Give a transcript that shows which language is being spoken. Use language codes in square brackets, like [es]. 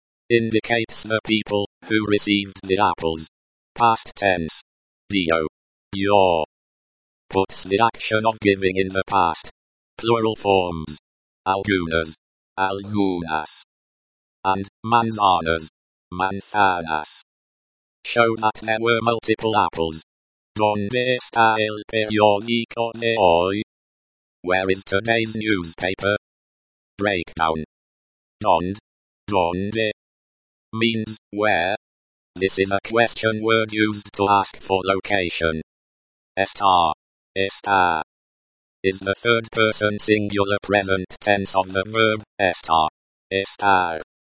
[en] Indicates the people who received the apples. Past tense. Dio. Your. Puts the action of giving in the past. Plural forms. Algunas. Algunas. And manzanas. Manzanas. Show that there were multiple apples. [es] ¿Dónde está el periódico de hoy? [en] Where is today's newspaper? Breakdown. Donde. Donde. Means, where? This is a question word used to ask for location. Está. Está. Is the third person singular present tense of the verb, estar. Estar.